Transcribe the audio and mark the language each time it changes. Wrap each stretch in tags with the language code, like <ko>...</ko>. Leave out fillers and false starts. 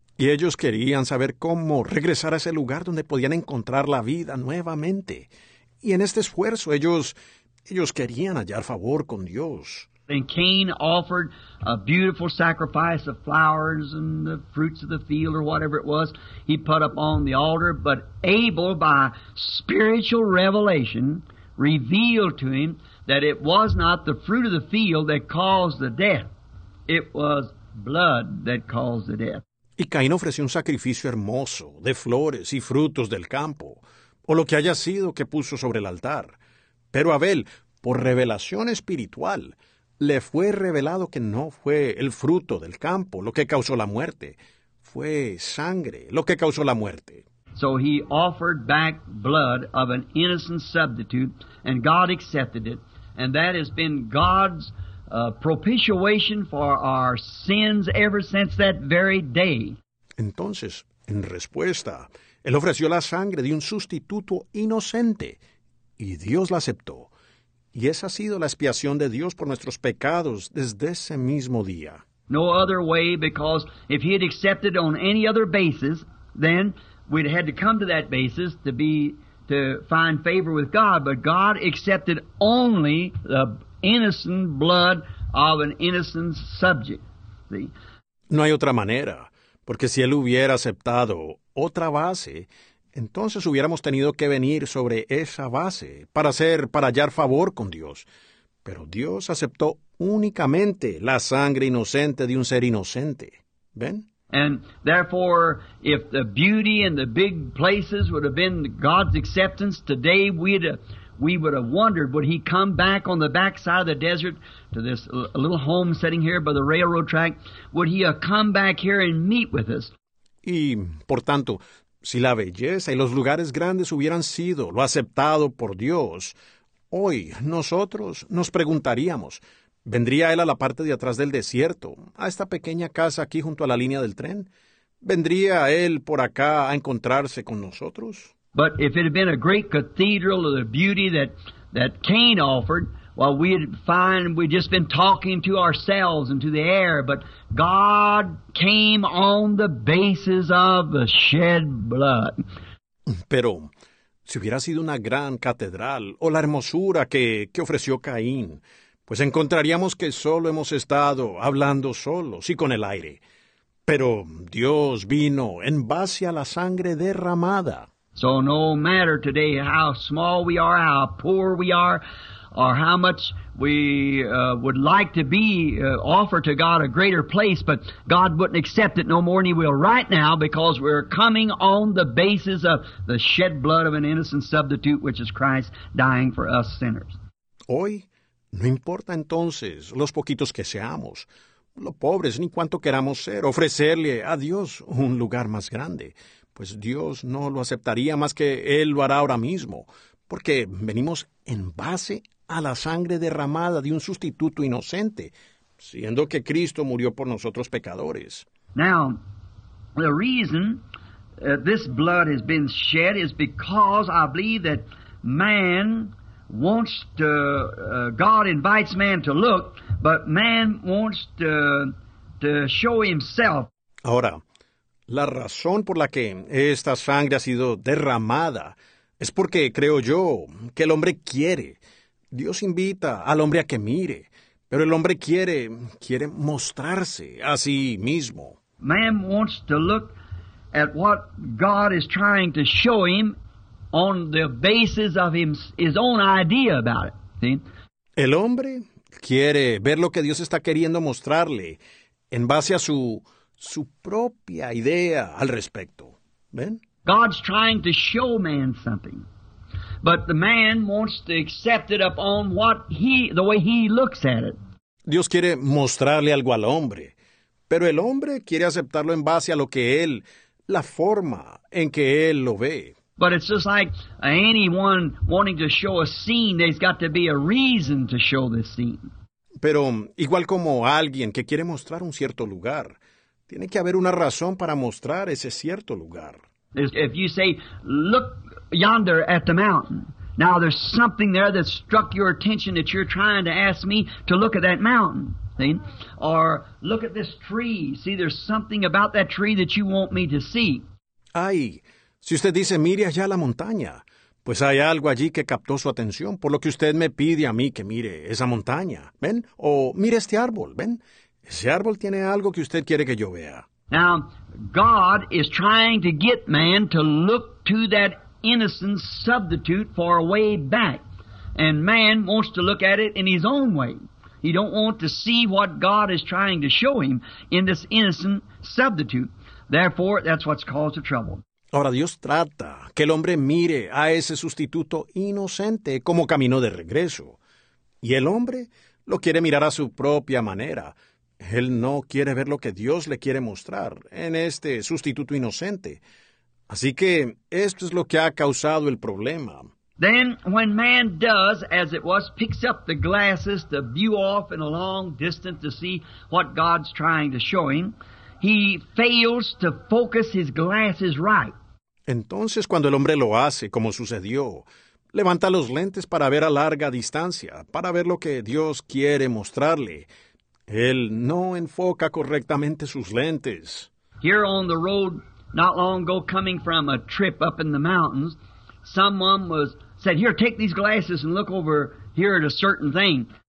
<es>Y ellos querían saber cómo regresar a ese lugar donde podían encontrar la vida nuevamente. Y en este esfuerzo, ellos querían hallar favor con Dios.</es> <en>And Cain offered a beautiful sacrifice of flowers and the fruits of the field or whatever it was he put up on the altar. But Abel, by spiritual revelation, revealed to him that it was not the fruit of the field that caused the death. It was blood that caused the death.</en> <es>Y Caín ofreció un sacrificio hermoso de flores y frutos del campo, o lo que haya sido que puso sobre el altar. Pero Abel, por revelación espiritual, le fue revelado que no fue el fruto del campo lo que causó la muerte. Fue sangre lo que causó la muerte.</es> <en>So he offered back blood of an innocent substitute, and God accepted it. And that has been God's propitiation for our sins ever since that very day.</en> <es>Entonces, en respuesta, él ofreció la sangre de un sustituto inocente, y Dios la aceptó. Y esa ha sido la expiación de Dios por nuestros pecados desde ese mismo día.</es> <en>No other way, because if he had accepted on any other basis, then we'd had to come to that basis to find favor with God. But God accepted only the innocent blood of an innocent subject. See?</en> <es>No hay otra manera, porque si él hubiera aceptado otra base, entonces hubiéramos tenido que venir sobre esa base para hallar favor con Dios. Pero Dios aceptó únicamente la sangre inocente de un ser inocente. ¿Ven?</es> <en>And therefore, if the beauty and the big places would have been God's acceptance, today we would have wondered, would he come back on the backside of the desert to this little home sitting here by the railroad track? Would he have come back here and meet with us?</en> <es>Y, por tanto, si la belleza y los lugares grandes hubieran sido lo aceptado por Dios, hoy nosotros nos preguntaríamos, ¿vendría él a la parte de atrás del desierto, a esta pequeña casa aquí junto a la línea del tren? ¿Vendría él por acá a encontrarse con nosotros?</es> <en>But if it had been a great cathedral of the beauty that Cain offered, well, we'd just been talking to ourselves and to the air, but God came on the basis of the shed blood.</en> <es>Pero si hubiera sido una gran catedral o la hermosura que ofreció Caín, pues encontraríamos que solo hemos estado hablando solos y con el aire. Pero Dios vino en base a la sangre derramada.</es> <en>So no matter today how small we are, how poor we are, or how much we would like to be offered to God a greater place, but God wouldn't accept it no more than he will right now, because we're coming on the basis of the shed blood of an innocent substitute, which is Christ dying for us sinners.</en> <es>Hoy, no importa entonces los poquitos que seamos, los pobres ni cuánto queramos ser, ofrecerle a Dios un lugar más grande, pues Dios no lo aceptaría más que él lo hará ahora mismo, porque venimos en base a la sangre derramada de un sustituto inocente, siendo que Cristo murió por nosotros pecadores.</es> <en>Now, the reason this blood has been shed is because I believe that man wants to, God invites man to look, but man wants to show himself.</en> <es>Ahora, la razón por la que esta sangre ha sido derramada es porque creo yo que el hombre quiere. Dios invita al hombre a que mire, pero el hombre quiere mostrarse a sí mismo.</es> <en>Man wants to look at what God is trying to show him on the basis of his own idea about it. See?</en> <es>El hombre quiere ver lo que Dios está queriendo mostrarle en base a su propia idea al respecto. ¿Ven?</es> <en>God's trying to show man something. But the man wants to accept it upon the way he looks at it.</en> <es>Dios quiere mostrarle algo al hombre, pero el hombre quiere aceptarlo en base a lo que él, la forma en que él lo ve.</es> <en>But it's just like anyone wanting to show a scene, there's got to be a reason to show this scene.</en> <es>Pero igual como alguien que quiere mostrar un cierto lugar, tiene que haber una razón para mostrar ese cierto lugar.</es> <en>If you say, look yonder at the mountain. Now there's something there that struck your attention that you're trying to ask me to look at that mountain. See? Or look at this tree. See, there's something about that tree that you want me to see.</en> <es>Ay, si usted dice, mire allá la montaña, pues hay algo allí que captó su atención, por lo que usted me pide a mí que mire esa montaña. ¿Ven? O mire este árbol. ¿Ven? Ese árbol tiene algo que usted quiere que yo vea.</es> <en>Now, God is trying to get man to look to that innocent substitute for a way back. And man wants to look at it in his own way. He don't want to see what God is trying to show him in this innocent substitute. Therefore, that's what's caused the trouble.</en> <es>Ahora, Dios trata que el hombre mire a ese sustituto inocente como camino de regreso. Y el hombre lo quiere mirar a su propia manera. Él no quiere ver lo que Dios le quiere mostrar en este sustituto inocente. Así que esto es lo que ha causado el problema.</es> <en>Then when man does, as it was, picks up the glasses to view off in a long distance to see what God's trying to show him, he fails to focus his glasses right.</en> <es>Entonces cuando el hombre lo hace, como sucedió, Levanta los lentes para ver a larga distancia, para ver lo que Dios quiere mostrarle. Él no enfoca correctamente sus lentes.</es> <en>Here on the road, not long ago, coming from a trip up in the mountains, someone was said, "Here, take these glasses and look over here at a certain thing."</en>